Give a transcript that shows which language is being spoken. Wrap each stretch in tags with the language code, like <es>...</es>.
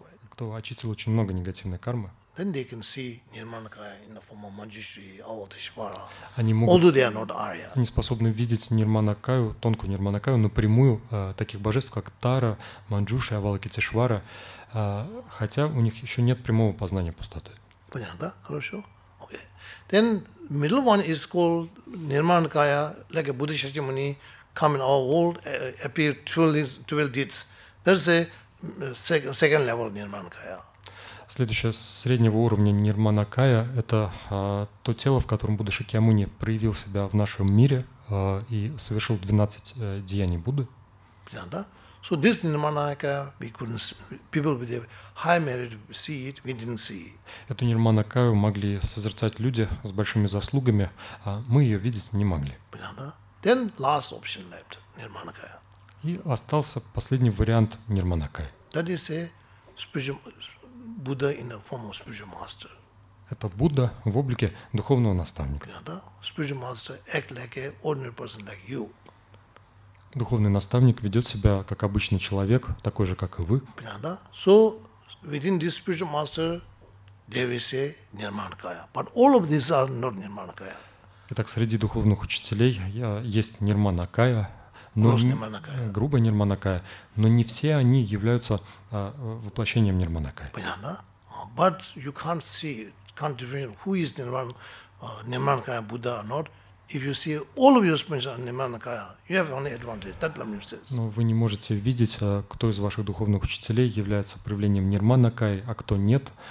<ru>Кто очистил очень много негативной кармы.</ru> <en>Then they can see Nirmanakaya in the form of Manjushri, Avatarshvara. Although they are not Arya.</en> <ru>Они способны видеть Нирманакаю, тонкую Нирманакаю, напрямую таких божеств, как Тара, Манджуши, Авалокитешвара, хотя у них еще нет прямого познания пустоты. Понятно, да? Хорошо. Okay.</ru> <en>Then middle one is called Nirmanakaya, like a Buddha Shakyamuni, come in our world, appear 12 deeds. That's a second level Nirmanakaya.</en> <ru>Следующее среднего уровня Нирманакая — это то тело, в котором Будда Шакьямуни проявил себя в нашем мире и совершил 12 деяний Будды. Понятно, да?</ru> <en>So this Nirmanakaya, we couldn't see. People with a high merit see it, we didn't see.</en> <ru>Эту Нирманакаю могли созерцать люди с большими заслугами, а мы ее видеть не могли. Понятно, да?</ru> <en>Then last option left, Nirmanakaya.</en> <ru>И остался последний вариант Нирманакая.</ru> <en>That is a spiritual... Buddha in the form of spiritual master.</en> <ru>Это Будда в облике духовного наставника. Yeah, да?</ru> <en>Spiritual master act like an ordinary person like you.</en> <ru>Духовный наставник ведет себя как обычный человек, такой же, как и вы. Yeah, да?</ru> <en>So within this spiritual master there is a Nirmanakaya. But all of these are not Nirmanakaya.</en> <ru>Итак, среди духовных учителей есть Нирманакая. Грубая Нирманакая, но не все они являются воплощением Нирманакая. Понятно?</ru> <en>But you can't see, can't differentiate who is Nirmanakaya Buddha or not. If you see all of your spiritual Nirmanakaya, you have only advantage. That Lamrim says.</en> <ru>Но вы не можете видеть, кто из ваших духовных учителей является проявлением Нирманакаи, а кто нет.</ru>